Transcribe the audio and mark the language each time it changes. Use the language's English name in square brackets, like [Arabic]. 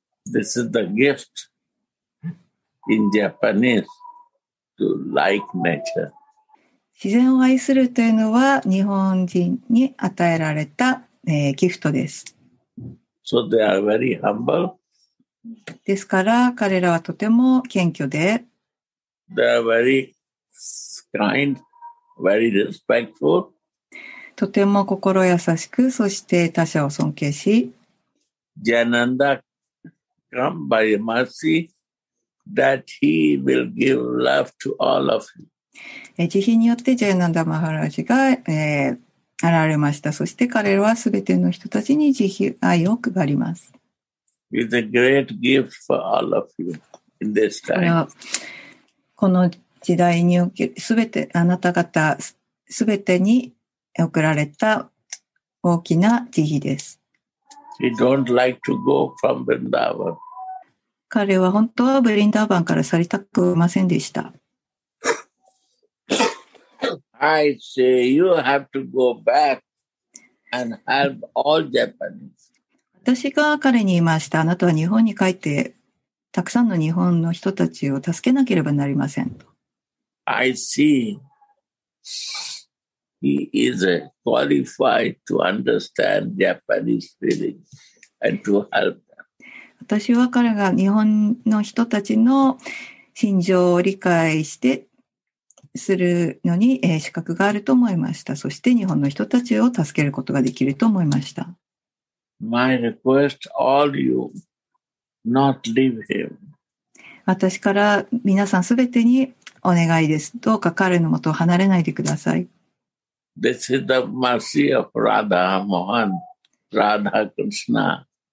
[English] This is the gift in Japanese to like nature. [Japanese] 自然を愛するというのは日本人に与えられた、ギフトです。 [English] So they are very humble. [Japanese] ですから彼らはとても謙虚で [English] They are very kind, very respectful. [Japanese] とても心優しくそして他者を尊敬し [English] ジャナンダ come by mercy that he will give love to all of you. [Japanese] 慈悲によってジャナンダマハラジが、現れましたそして彼らは全ての人たちに慈悲愛を配ります [English] It's a great gift for all of you in this time. [Japanese] この時代におけるすべてあなた方すべてに贈られた大きな慈悲です。 [English] He don't like to go from Vrindavan. [Japanese] 彼は本当はブリンダーバンから去りたくませんでした。 [English] I say you have to go back and help all Japanese. [Japanese] 私が彼に言いました。あなたは日本に帰って、たくさんの日本の人たちを助けなければなりませんと。 [English] I see he is qualified to understand Japanese feeling and to help them. [Japanese] 私は彼が日本の人たちの心情を理解してするのに資格があると思いました。そして日本の人たちを助けることができると思いました。 [English] My request, all you, not leave him. [Japanese] 私から皆さんすべてにお願いです。どうか彼のもとを離れないでください。 [English] This is the mercy of Radha Mohan, Radha Krishna.